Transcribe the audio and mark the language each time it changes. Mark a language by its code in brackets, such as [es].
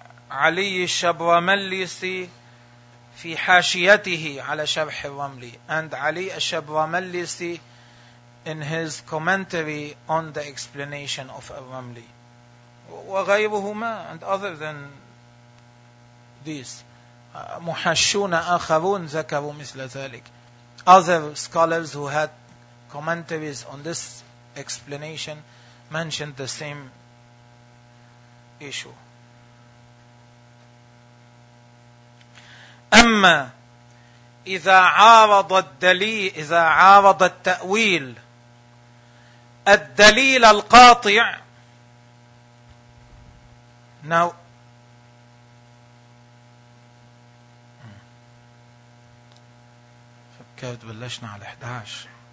[ar] وعلي الشبرمليسي في حاشيته على شرح الرملي. [en] And علي الشبرمليسي in his commentary on the explanation of الرملي. [ar] وغيرهما [en] and other than these. [ar] محشون آخرون ذكروا مثل ذلك. [en] Other scholars who had commentaries on this explanation mentioned the same issue. [ar] أما إذا عارض الدليل إذا عارض التأويل الدليل القاطع. Now كاد بلشنا على 11.